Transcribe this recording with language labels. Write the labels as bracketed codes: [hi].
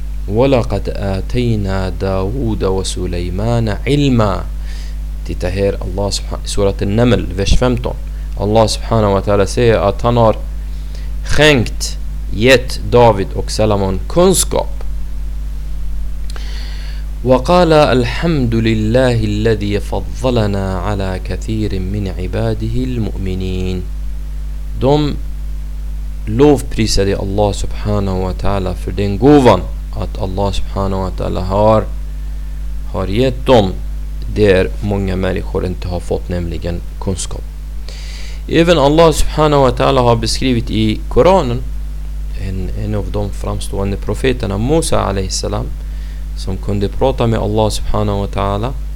[ar] Walaqad atayna Dawuda wa Suleimana ilma. [sv] Titta här, Allah subhanahu wa ta'ala, surat An-Naml vers 15. Allah subhanahu wa ta'ala säger att han har skänkt, gett David och Salomon kunskap. [ar] وقال الحمد لله الذي فضلنا على كثير من عباده المؤمنين. [sv] De lovprisade Allah subhanahu wa ta'ala för den gåvan att Allah subhanahu wa ta'ala har gett dem, där många människor inte har fått, nämligen kunskap. Även Allah subhanahu wa ta'ala har beskrivit i Koranen en av de framstående profeterna, Musa alayhi salam, som kunde prata med Allah subhanahu wa ta'ala.